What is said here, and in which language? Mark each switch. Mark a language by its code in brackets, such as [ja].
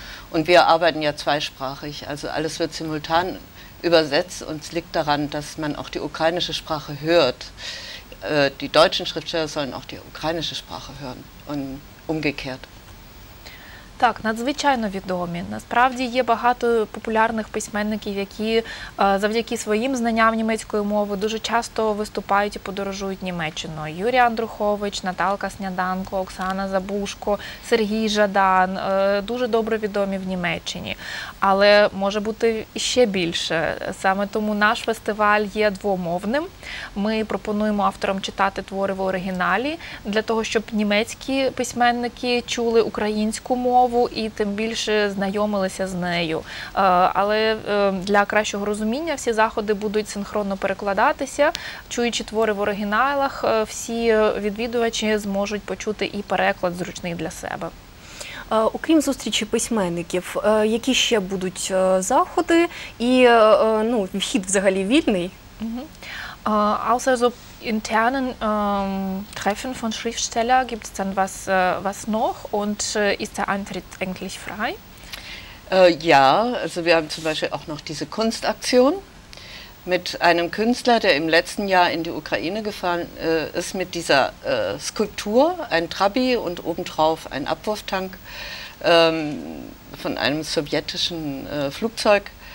[de] Und wir arbeiten ja zweisprachig, also alles wird simultan übersetzt und es liegt daran, dass man auch die ukrainische Sprache hört. Die deutschen Schriftsteller sollen auch die ukrainische Sprache hören und umgekehrt. [uk] Так, надзвичайно відомі. Насправді є багато популярних письменників, які завдяки своїм знанням німецької мови дуже часто виступають і подорожують Німеччиною. Юрій Андрухович, Наталка Сніданко, Оксана Забужко, Сергій Жадан дуже добре відомі в Німеччині. Але може бути ще більше. Саме тому наш фестиваль є двомовним. Ми пропонуємо авторам читати твори в оригіналі, для того, щоб німецькі письменники чули українську мову, і тим більше знайомилися з нею. Але для кращого розуміння всі заходи будуть синхронно перекладатися. Чуючи твори в оригіналах, всі відвідувачі зможуть почути і переклад зручний для себе. Окрім зустрічі письменників, які ще будуть заходи? І ну, вхід взагалі вільний? [de] Außer so internen Treffen von Schriftsteller gibt es dann was noch und ist der Eintritt eigentlich frei? Ja, also wir haben zum Beispiel auch noch diese Kunstaktion mit einem Künstler, der im letzten Jahr in die Ukraine gefahren ist mit dieser Skulptur, ein Trabi und obendrauf ein Abwurftank von einem sowjetischen Flugzeug.